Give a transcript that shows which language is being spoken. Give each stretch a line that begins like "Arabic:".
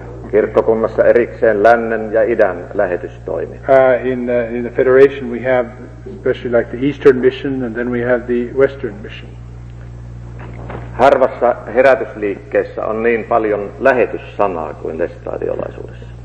Finnish: Kirkkokunnassa erikseen lännen ja idän lähetystoimi.
English: In the Federation we have especially like the Eastern Mission and then we have the Western Mission.
Finnish: Harvassa herätysliikkeessä on niin paljon lähetyssanaa kuin lestadiolaisuudessa.